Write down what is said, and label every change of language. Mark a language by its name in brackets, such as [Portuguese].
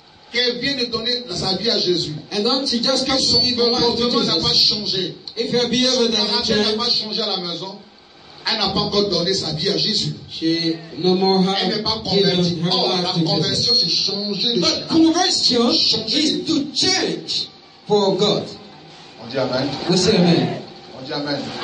[French] qu'elle vient de donner sa vie à Jésus. [English] And then she just comes to give her life to Jesus. [French] N'a pas changé. [English] If her behavior doesn't change, [French] n'a pas changé à la maison. Elle n'a pas encore donné sa vie à Jésus. [English] She no more [French] elle n'est pas convertie. Oh, la conversion, c'est changer de [English] but conversion is to change for God. [French] On dit Amen. [English] We say Amen. [French] On dit Amen.